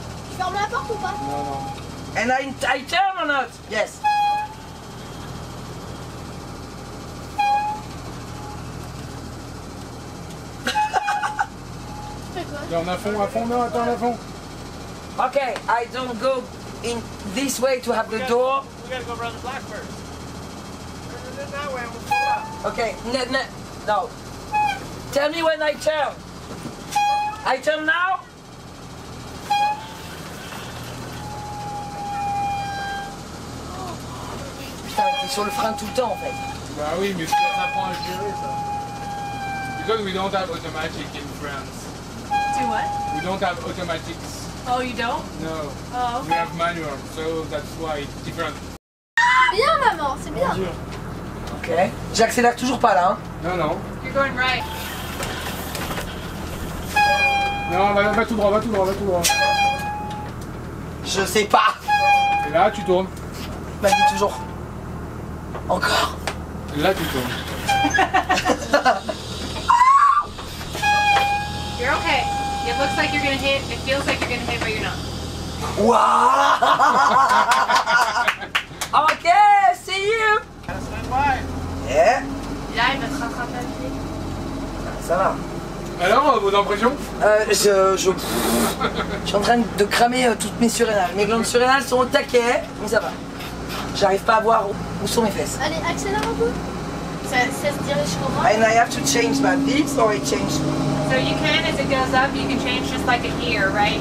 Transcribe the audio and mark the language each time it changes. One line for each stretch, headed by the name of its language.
French: Tu fermes la porte ou pas ? Non, non.
English: And I turn or not ? Yes.
French: Tu fais quoi ? T'es en à fond, non, attends, à fond.
English: Okay, I don't go in this way to have the door. We gotta go around the black first. And then that way, we'll pull up. Okay, no. Tell me when I turn. I turn now?
French: appuie sur le frein tout le temps en fait. Bah oui, mais ça t'apprends à gérer ça.
English: Because we don't have automatic in France. Do what? We don't have automatics. Oh, you don't? No. Oh, okay. We have manual, so that's why it's different.
French: Bien maman, c'est bien. Bonjour. Ok. J'accélère toujours pas là. Hein. Non, non.
English: You're going right.
French: Non, va tout droit, va tout droit, va tout droit. Je sais pas. Et là, tu tournes. Bah, dis toujours. Encore. Là, tu tournes.
English: You're okay. It looks like you're gonna hit. It feels like you're gonna hit, but you're not. Wouah! Ok, see you!
French: Ça va. Alors, vos impressions? Je suis en train de cramer toutes mes surrénales. Mes glandes surrénales sont au taquet, mais ça va. J'arrive pas à voir où sont mes fesses. Allez, accélère un peu. Ça se dirige comment?
English: And I have to change my beats or it changes? So you can, as it goes up, you can change just like a gear, right?